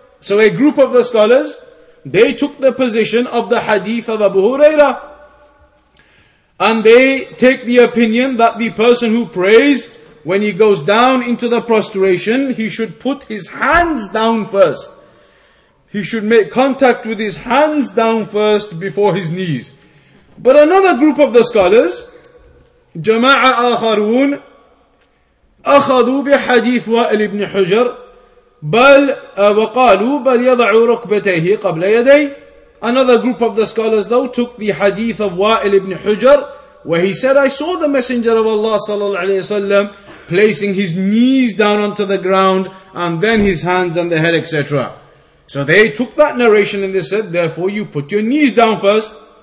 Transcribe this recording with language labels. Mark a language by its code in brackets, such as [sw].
[en] So a group of the scholars, they took the position of the hadith of Abu Huraira. And they take the opinion that the person who prays, when he goes down into the prostration, he should put his hands down first. He should make contact with his hands down first before his knees. But another group of the scholars, [ar] جماعه اخرون اخذوا بحديث وائل بن حجر بل وقالوا بل يضع ركبتيه قبل يديه. [en] Another group of the scholars though took the hadith of وائل بن حجر, where he said, I saw the messenger of Allah sallallahu alaihi wasallam placing his knees down onto the ground and then his hands and the head, etc. So they took that narration and they said, therefore you put your knees down first.